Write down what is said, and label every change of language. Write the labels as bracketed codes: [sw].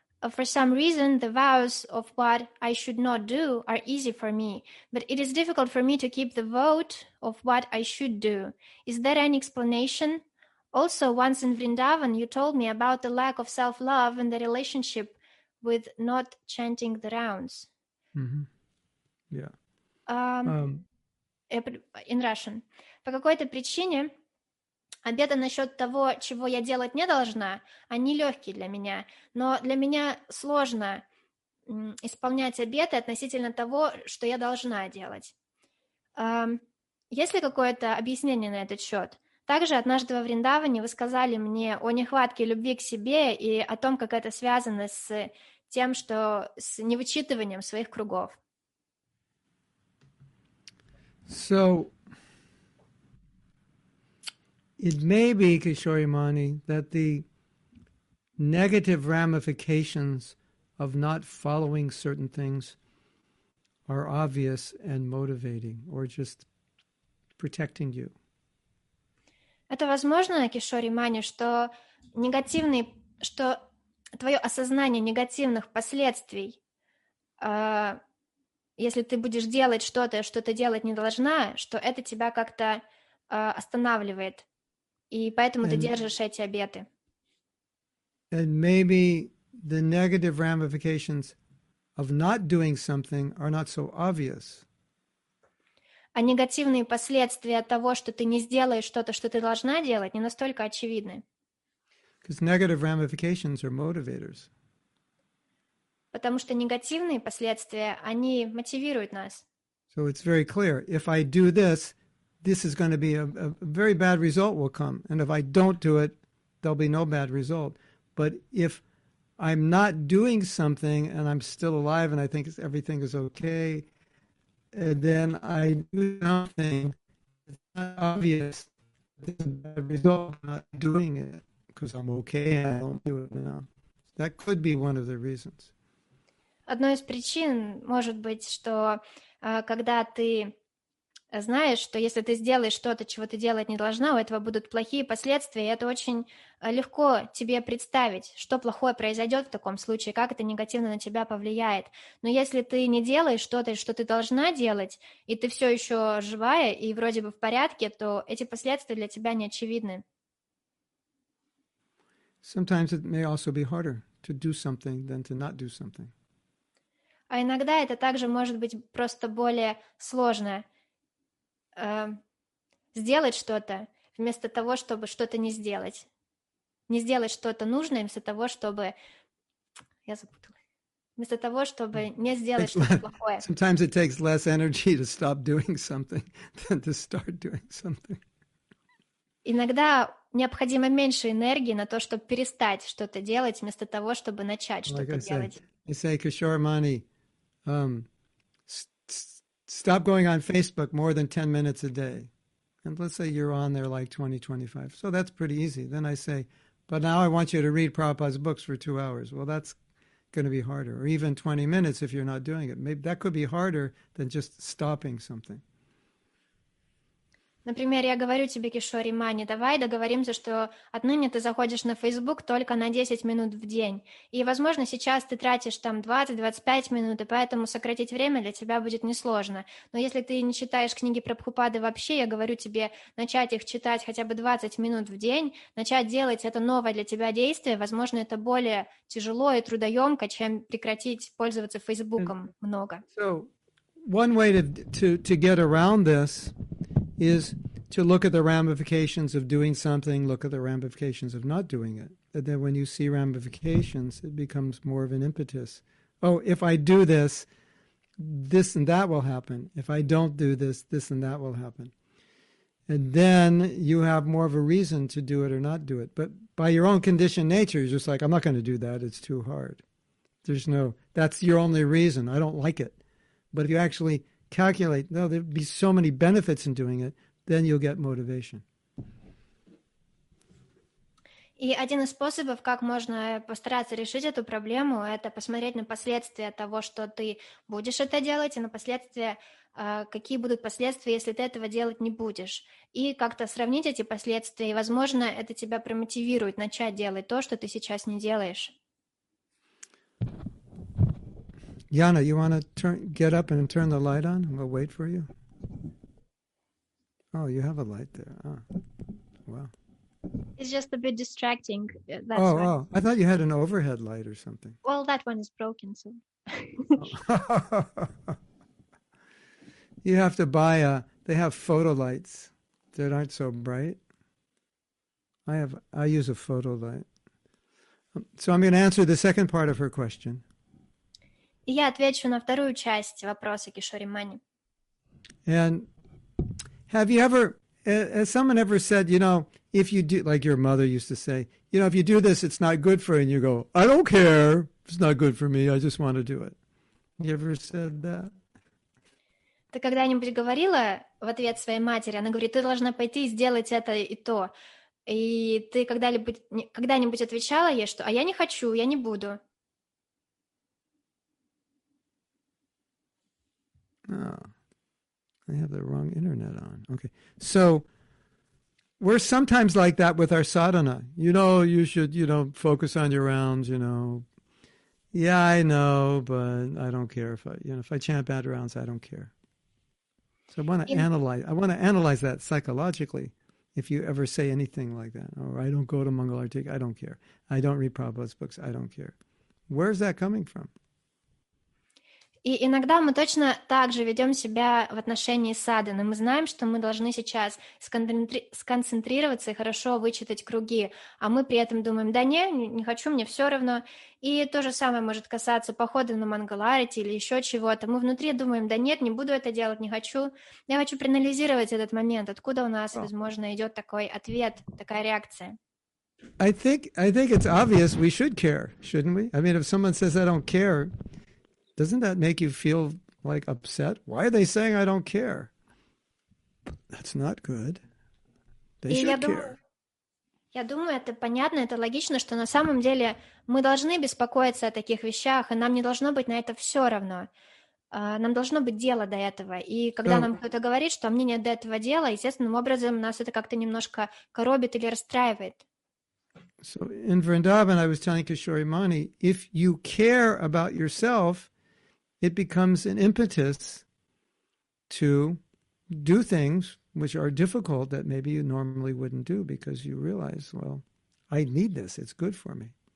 [en] For some reason, the vows of what I should not do are easy for me, but it is difficult for me to keep the vote of what I should do. Is there any explanation? Also, once in Vrindavan, you told me about the lack of self-love and the relationship with not chanting the rounds. Mm-hmm. Yeah. In Russian. [ru] По какой-то причине обеты насчет того, чего я делать не должна, они легкие для меня. Но для меня сложно исполнять обеты относительно того, что я должна делать. Есть ли какое-то объяснение на этот счет? Также однажды во Вриндаване вы сказали мне о нехватке любви к себе и о том, как это связано с тем, что с невычитыванием своих кругов. [en] So, it may be, Kishori Mani, that the negative ramifications of not following certain things are obvious and motivating, or just protecting you. [ru] Это возможно, Кишори Мани, что негативный, что твое осознание негативных последствий, если ты будешь делать что-то, что ты делать не должна, что это тебя как-то останавливает, и поэтому ты держишь эти обеты. [en] And maybe the negative ramifications of not doing something are not so obvious. [ru] А негативные последствия того, что ты не сделаешь что-то, что ты должна делать, не настолько очевидны. [en] Because negative ramifications are motivators. [ru] Потому что негативные последствия, они мотивируют нас. [en] So it's very clear. If I do this, this is going to be a very bad result will come. And if I don't do it, there'll be no bad result. But if I'm not doing something and I'm still alive and I think everything is okay, and then I do something, it's not obvious that there's a bad result of not doing it because I'm okay and I don't do it now. That could be one of the reasons. [ru] Одной из причин может быть, что когда ты знаешь, что если ты сделаешь что-то, чего ты делать не должна, у этого будут плохие последствия, и это очень легко тебе представить, что плохое произойдет в таком случае, как это негативно на тебя повлияет. Но если ты не делаешь что-то, что ты должна делать, и ты все еще живая и вроде бы в порядке, то эти последствия для тебя не очевидны. [en] Sometimes it may also be harder to do something than to not do something. [ru] А иногда это также может быть просто более сложно сделать что-то, вместо того, чтобы что-то не сделать. Не сделать что-то нужное вместо того, чтобы... Я запуталась. Вместо того, чтобы не сделать что-то плохое. [en] Sometimes it takes less energy to stop doing something than to start doing something. [ru] Иногда необходимо меньше энергии на то, чтобы перестать что-то делать, вместо того, чтобы начать что-то делать. [en] You say, Kishore Mani, stop going on Facebook more than 10 minutes a day. And let's say you're on there like 20-25. So that's pretty easy. Then I say, but now I want you to read Prabhupada's books for 2 hours. Well, that's going to be harder. Or even 20 minutes if you're not doing it. Maybe that could be harder than just stopping something. [ru] Например, я говорю тебе, Кишори Мани, давай договоримся, что отныне ты заходишь на Facebook только на 10 минут в день. И, возможно, сейчас ты тратишь там 20-25 минут, и поэтому сократить время для тебя будет несложно. Но если ты не читаешь книги Прабхупады вообще, я говорю тебе начать их читать хотя бы 20 минут в день, начать делать это новое для тебя действие, возможно, это более тяжело и трудоемко, чем прекратить пользоваться Facebook'ом много. [en] So, one way to get around this... is to look at the ramifications of doing something, look at the ramifications of not doing it. And then when you see ramifications, it becomes more of an impetus. Oh, if I do this, this and that will happen. If I don't do this, this and that will happen. And then you have more of a reason to do it or not do it. But by your own conditioned nature, you're just like, I'm not going to do that. It's too hard. There's no, that's your only reason. I don't like it. But if you actually calculate, no, there'd be so many benefits in doing it, then you'll get motivation. [ru] И один из способов, как можно постараться решить эту проблему, это посмотреть на последствия того, что ты будешь это делать, и на последствия, какие будут последствия, если ты этого делать не будешь. И как-то сравнить эти последствия, и, возможно, это тебя промотивирует начать делать то, что ты сейчас не делаешь. [en] Yana, you want to get up and turn the light on? We'll wait for you. Oh, you have a light there. Oh, wow. It's just a bit distracting. That's oh, why. Oh, I thought you had an overhead light or something. Well, that one is broken, so. You have to buy a, they have photo lights that aren't so bright. I use a photo light. So I'm going to answer the second part of her question. [ru] И я отвечу на вторую часть вопроса Кишори Мани. [en] And have you ever, has someone ever said, you know, if you do, like your mother used to say, you know, if you do this, it's not good for you, and you go, I don't care, it's not good for me, I just want to do it. You ever said that? [ru] Ты когда-нибудь говорила в ответ своей матери, она говорит, ты должна пойти и сделать это и то. И ты когда-нибудь отвечала ей, что, а я не хочу, я не буду. [en] Oh, I have the wrong internet on. Okay, so we're sometimes like that with our sadhana. You know, you should, you know, focus on your rounds, you know. Yeah, I know, but I don't care if I, you know, if I chant bad rounds, I don't care. So I want to analyze that psychologically if you ever say anything like that. Or I don't go to Mangal Arati, I don't care. I don't read Prabhupada's books, I don't care. Where's that coming from? [ru] И иногда мы точно так же ведем себя в отношении садханы. Мы знаем, что мы должны сейчас сконцентрироваться и хорошо вычитать круги, а мы при этом думаем, да не хочу, мне все равно. И то же самое может касаться похода на Мангаларити или еще чего-то. Мы внутри думаем, да нет, не буду это делать, не хочу. Я хочу проанализировать этот момент, откуда у нас, возможно, идет такой ответ, такая реакция. [en] I think it's obvious we should care, shouldn't we? I mean, if someone says, I don't care... Doesn't that make you feel like upset? Why are they saying I don't care? That's not good. They should care. [ru] Я думаю, это понятно, это логично, что на самом деле мы должны беспокоиться о таких вещах, и нам не должно быть на это все равно. Нам должно быть дело до этого. И когда нам кто-то говорит, что мне нет до этого дела, естественным образом нас это как-то немножко коробит или расстраивает. [en] So in Vrindavan, I was telling Kishori Mani, if you care about yourself, it becomes an impetus to do things which are difficult that maybe you normally wouldn't do because you realize, well, I need this. It's good for me.